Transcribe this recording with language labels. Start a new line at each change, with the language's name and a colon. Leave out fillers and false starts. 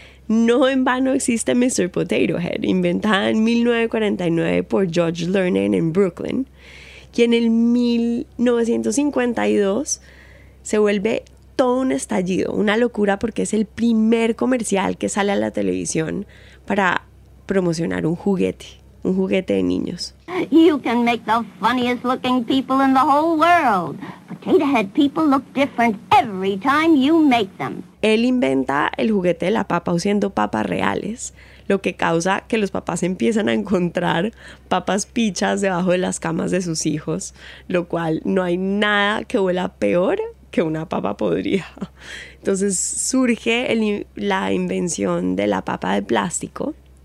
Spanish: No en vano existe Mr. Potato Head, inventada en 1949 por George Learned en Brooklyn, quien en 1952 se vuelve todo un estallido, una locura, porque es el primer comercial que sale a la televisión para promocionar un juguete de niños.
English: You can make the funniest looking people in the whole world. Potato Head people look different every time you make them.
Spanish: Él inventa el juguete de la papa usando papas reales, lo que causa que los papás empiezan a encontrar papas pichas debajo de las camas de sus hijos, lo cual no hay nada que huela peor que una papa podrida. Entonces surge la invención de la papa de plástico.